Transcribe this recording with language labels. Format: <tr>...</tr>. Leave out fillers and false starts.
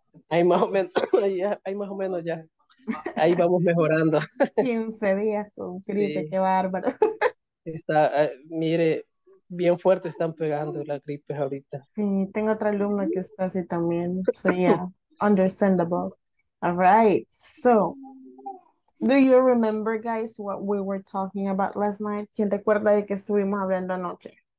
<es>Ahí más o menos, ya, ahí más o menos ya. Ahí vamos mejorando. 15 días con gripe, qué Sí. bárbaro. Está, mire, bien fuerte están pegando las gripes ahorita. Sí, tengo otra alumna que está así también.</es> <en>So, yeah, understandable. All right, so, do you remember, guys, what we were talking about last night?</en> <es>¿Quién te acuerda de qué estuvimos hablando anoche?</es>